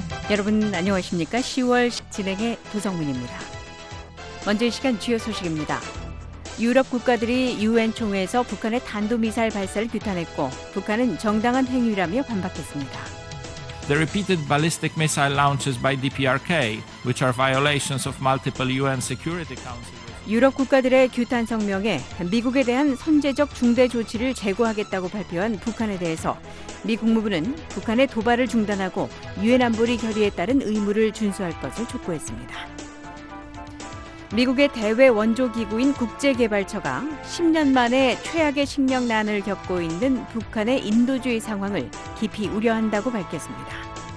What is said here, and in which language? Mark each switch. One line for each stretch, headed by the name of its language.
Korean: 여러분 안녕하십니까? 10월 진행의 조성민입니다. 먼저 이 시간 주요 소식입니다. 유럽 국가들이 유엔 총회에서 북한의 탄도미사일 발사를 규탄했고 북한은 정당한 행위라며 반박했습니다.
English: The repeated ballistic missile launches by DPRK, which are violations of multiple UN Security Council.
Korean: 유럽 국가들의 규탄 성명에 미국에 대한 선제적 중대 조치를 제고하겠다고 발표한 북한에 대해서 미 국무부는 북한의 도발을 중단하고 유엔 안보리 결의에 따른 의무를 준수할 것을 촉구했습니다. 미국의 대외 원조 기구인 국제개발처가 10년 만에 최악의 식량난을 겪고 있는 북한의 인도주의 상황을 깊이 우려한다고 밝혔습니다.